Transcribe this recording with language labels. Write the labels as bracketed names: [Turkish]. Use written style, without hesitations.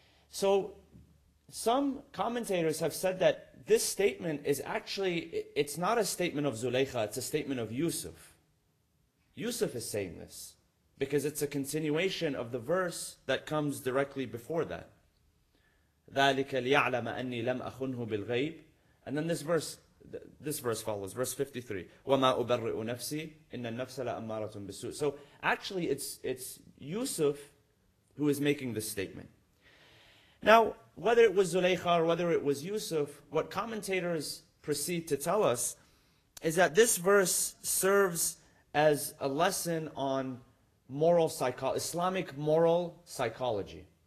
[English] So some commentators have said that this statement is actually, it's not a statement of Zulaykha, it's a statement of Yusuf. Yusuf is saying this because it's a continuation of the verse that comes directly before that. [Arabic] ذَلِكَ لِيَعْلَمَ أَنِّي لَمْ أَخُنْهُ بِالْغَيْبِ. [English] And then this verse follows, verse 53, [Arabic] وَمَا أُبَرِّئُ نَفْسِي إِنَّ النَّفْسَ لَأَمَّارَةٌ بِالسُّوءِ. [English] So actually it's Yusuf who is making this statement. Now, whether it was Zulaykha or whether it was Yusuf, what commentators proceed to tell us is that this verse serves as a lesson on Islamic moral psychology.